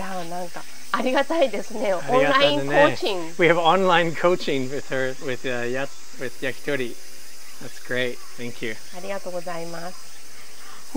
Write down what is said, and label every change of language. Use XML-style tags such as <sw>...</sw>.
<ja>いやなんかありがたいですね。オンラインコーチング。</ja> <en>We have online coaching with her with Yakitori. That's great. Thank you.</en> <ja>ありがとうございます。</ja>